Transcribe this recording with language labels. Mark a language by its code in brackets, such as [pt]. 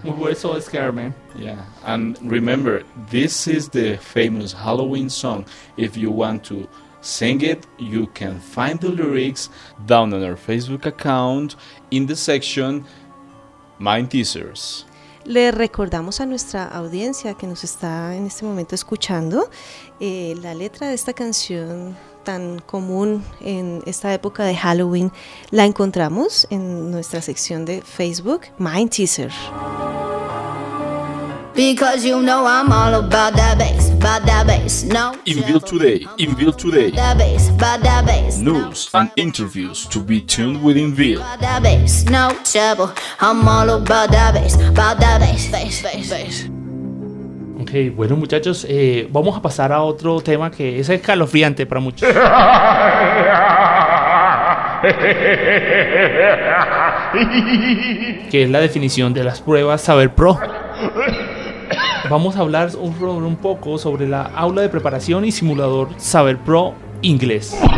[en] We were so scared, man. Yeah. And remember, this is the famous Halloween song. If you want to sing it, you can find the lyrics down on our Facebook account in the section Mind Teasers. [es] Le recordamos a nuestra audiencia que nos está en este momento escuchando la letra de esta canción tan común en esta época de Halloween. La encontramos en nuestra sección de Facebook, Mind Teaser. [en] Because you know I'm all about that bass, about that bass, no. Inville today, that bass, about that bass. News no and interviews to be tuned with Inville. About that bass, no trouble. I'm all about that bass, bass, bass, bass. [es] Okay, bueno muchachos, vamos a pasar a otro tema que es escalofriante para muchos. Que es la definición de las pruebas Saber Pro. Vamos a hablar un poco sobre la aula de preparación y simulador Saber Pro inglés.